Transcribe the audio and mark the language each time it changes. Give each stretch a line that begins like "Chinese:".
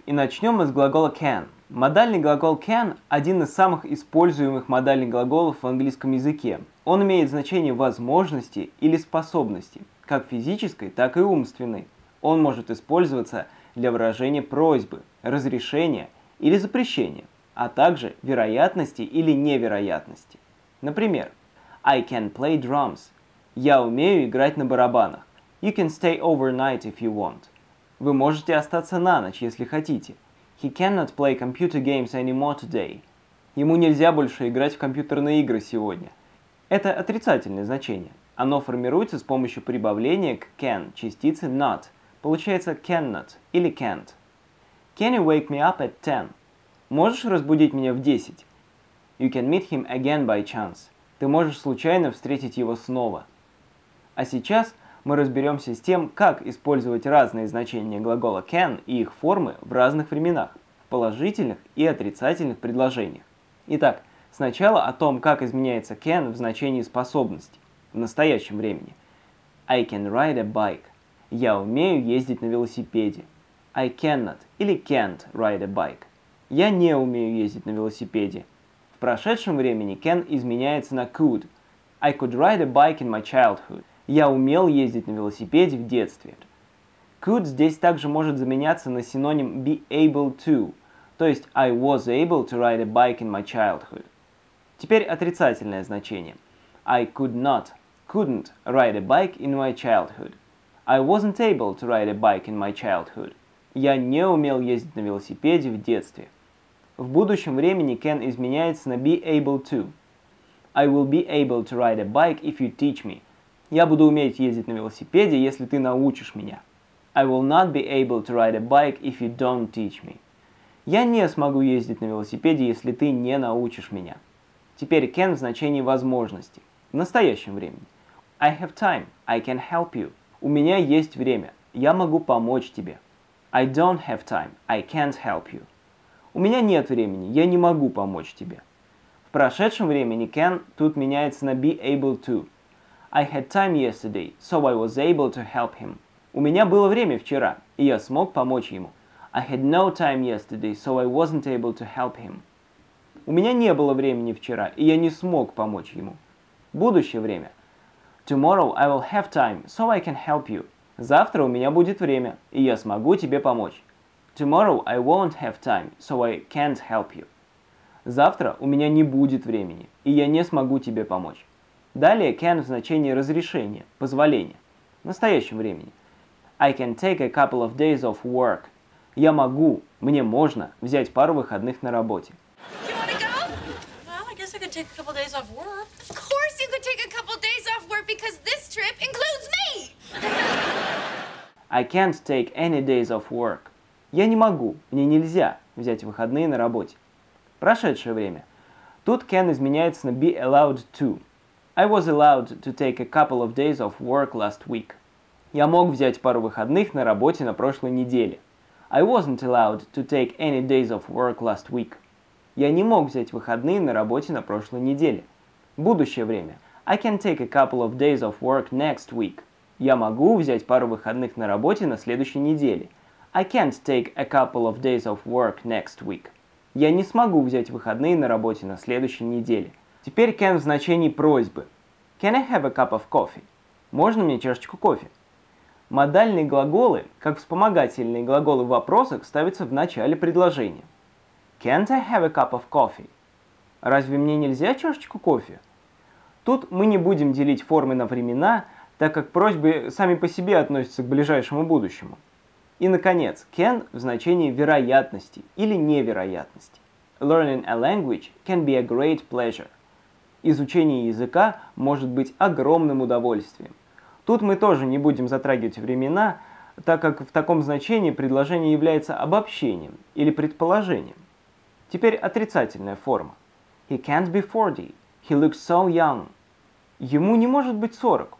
Russian: И начнем мы с глагола can. Модальный глагол can – один из самых используемых модальных глаголов в английском языке. Он имеет значение возможности или способности, как физической, так и умственной. Он может использоваться для выражения просьбы, разрешения или запрещения, а также вероятности или невероятности. Например,
English: I can play drums.
Russian: Я умею играть на барабанах.
English: You can stay overnight if you want.
Russian: Вы можете остаться на ночь, если хотите.
English: He cannot play computer games anymore today.
Russian: Ему нельзя больше играть в компьютерные игры сегодня. Это отрицательное значение. Оно формируется с помощью прибавления к can частицы not. Получается cannot или can't.
English: Can you wake me up at 10?
Russian: Можешь разбудить меня в 10?
English: You can meet him again by chance.
Russian: Ты можешь случайно встретить его снова. А сейчас мы разберемся с тем, как использовать разные значения глагола can и их формы в разных временах, в положительных и отрицательных предложениях. Итак, сначала о том, как изменяется can в значении способности в настоящем времени.
English: I can ride a bike.
Russian: Я умею ездить на велосипеде.
English: I cannot или can't ride a bike.
Russian: Я не умею ездить на велосипеде. В прошедшем времени can изменяется на could.
English: I could ride a bike in my childhood.
Russian: Я умел ездить на велосипеде в детстве. Could здесь также может заменяться на синоним be able to, то есть
English: I was able to ride a bike in my childhood.
Russian: Теперь отрицательное значение.
English: I could not, couldn't ride a bike in my childhood. I wasn't able to ride a bike in my childhood.
Russian: Я не умел ездить на велосипеде в детстве. В будущем времени can изменяется на be able to.
English: I will be able to ride a bike if you teach me.
Russian: Я буду уметь ездить на велосипеде, если ты научишь меня.
English: I will not be able to ride a bike if you don't teach me.
Russian: Я не смогу ездить на велосипеде, если ты не научишь меня. Теперь can в значении возможности. В настоящем времени.
English: I have time. I can help you.
Russian: У меня есть время. Я могу помочь тебе.
English: I don't have time. I can't help you.
Russian: У меня нет времени. Я не могу помочь тебе. В прошедшем времени can тут меняется на be able to.
English: I had time yesterday, so I was able to help him.
Russian: У меня было время вчера, и я смог помочь ему.
English: I had no time yesterday, so I wasn't able to help him.
Russian: У меня не было времени вчера, и я не смог помочь ему. Будущее время.
English: Tomorrow I will have time, so I can help you.
Russian: Завтра у меня будет время, и я смогу тебе помочь.
English: Tomorrow I won't have time, so I can't help you.
Russian: Завтра у меня не будет времени, и я не смогу тебе помочь. Далее can в значении разрешения, позволения, в настоящем времени.
English: I can take a couple of days off work.
Russian: Я могу, мне можно взять пару выходных на работе.
English: You wanna go? Well, I guess I could take a couple days off work. Of course you could take a couple days off work, because this trip includes me! I can't take any days off work.
Russian: Я не могу, мне нельзя взять выходные на работе. Прошедшее время. Тут can изменяется на be allowed to.
English: I was allowed to take a couple of days off work last week.
Russian: Я мог взять пару выходных на работе на прошлой неделе.
English: I wasn't allowed to take any days off work last week.
Russian: Я не мог взять выходные на работе на прошлой неделе. Будущее время.
English: I can take a couple of days off work next week.
Russian: Я могу взять пару выходных на работе на следующей неделе.
English: I can't take a couple of days off work next week.
Russian: Я не смогу взять выходные на работе на следующей неделе. Теперь can в значении просьбы.
English: Can I have a cup of coffee?
Russian: Можно мне чашечку кофе? Модальные глаголы, как вспомогательные глаголы в вопросах, ставятся в начале предложения.
English: Can't I have a cup of coffee?
Russian: Разве мне нельзя чашечку кофе? Тут мы не будем делить формы на времена, так как просьбы сами по себе относятся к ближайшему будущему. И, наконец, can в значении вероятности или невероятности.
English: Learning a language can be a great pleasure.
Russian: Изучение языка может быть огромным удовольствием. Тут мы тоже не будем затрагивать времена, так как в таком значении предложение является обобщением или предположением. Теперь отрицательная форма.
English: He can't be 40. He looks so young.
Russian: Ему не может быть 40.